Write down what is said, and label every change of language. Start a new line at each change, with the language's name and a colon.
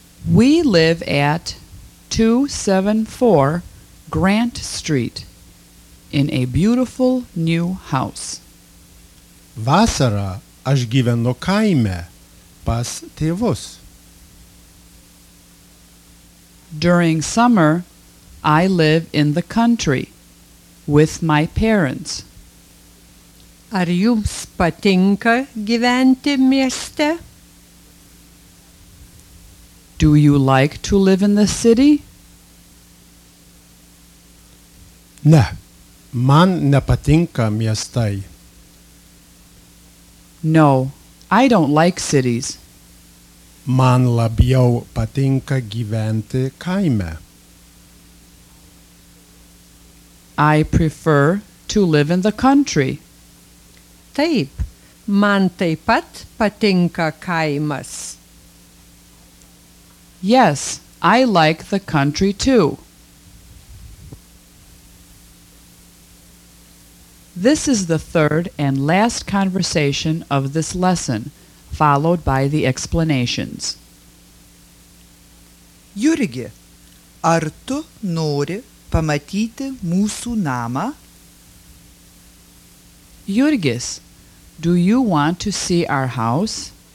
English: We live at 274 Grant Street in a beautiful new house.
Lithuanian: Vasarą aš gyvenu kaime pas tėvus.
English: During summer, I live in the country with my parents.
Lithuanian: Ar jums patinka gyventi mieste?
English: Do you like to live in the city?
Lithuanian: Ne, man nepatinka miestai.
English: No, I don't like cities.
Lithuanian: Man labiau patinka gyventi kaime.
English: I prefer to live in the country.
Lithuanian: Taip, man taip pat patinka kaimas.
English: Yes, I like the country too. This is the third and last conversation of this lesson, followed by the explanations.
Lithuanian: Jurgi, ar tu nori pamatyti mūsų namą?
English: Jurgis, do you want to see our house?